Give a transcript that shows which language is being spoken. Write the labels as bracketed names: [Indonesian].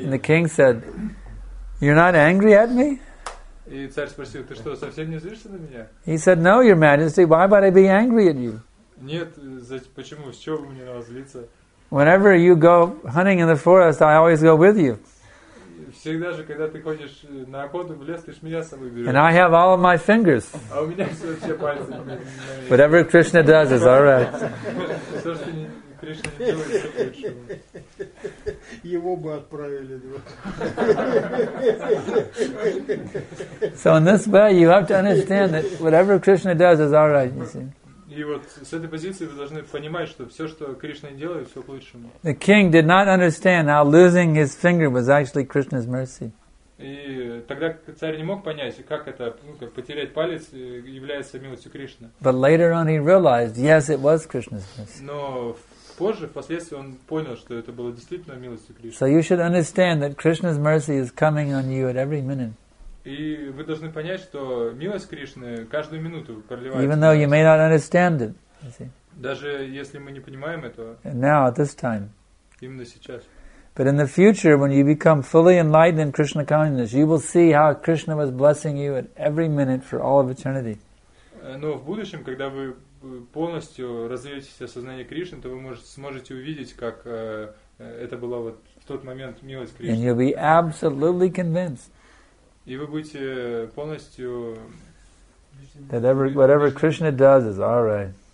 [English] And the king said, "You're not angry at me?" [Russian] И царь спросил, "Ты что, совсем не злишься на меня?" [English] He said, "No, your majesty, why would I be angry at you?" [Russian] Нет, почему, с чего бы мне на вас злиться? [English] Whenever you go hunting in the forest, I always go with you. [Russian] Всегда же, когда ты ходишь на охоту в лес, ты ж меня с собой берешь. [English] And I have all of my fingers. [Russian] А у меня все вообще пальцы. [English] Whatever Krishna does is all right. [Russian] Все, что Кришна не делает, все лучше. Его бы отправили. [English] So in this way, you have to understand that whatever Krishna does is all right, you see. [Russian] И вот с этой позиции вы должны понимать, что все, что Кришна делает, все к лучшему. [English] The king did not understand how losing his finger was actually Krishna's mercy. [Russian] И тогда царь не мог понять, как это, ну, как потерять палец является милостью Кришны. [English] But later on he realized, yes, it was Krishna's mercy. [Russian] Но позже, впоследствии, он понял, что это было действительно милостью Кришны. [English] So you should understand that Krishna's mercy is coming on you at every minute. [Russian] И вы должны понять, что милость Кришны каждую минуту проливается. [English] Even though you may not understand it, you see. [Russian] Даже если мы не понимаем этого. [English] And now, at this time. [Russian] Именно сейчас. [English] But in the future, when you become fully enlightened in Krishna consciousness, you will see how Krishna was blessing you at every minute for all of eternity. [Russian] Но в будущем, когда вы полностью развеетесь в сознании Кришны, то вы сможете увидеть, как это была вот в тот момент милость Кришны. [English] And you'll be absolutely convinced. [Russian] И вы будете полностью [English] whatever Krishna does is all right.